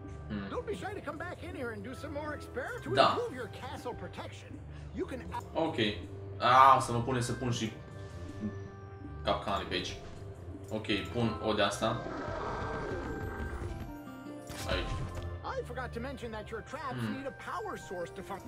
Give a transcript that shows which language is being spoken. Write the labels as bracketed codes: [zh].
[en] Don't be shy to come back in here and do some more experiments to improve your castle protection. You can. Ok. [ro] Ah, să mă pune să pun și capcane pe aici. Ok, pun o de asta. Aici. [en] I forgot to mention that your traps need a power source to function.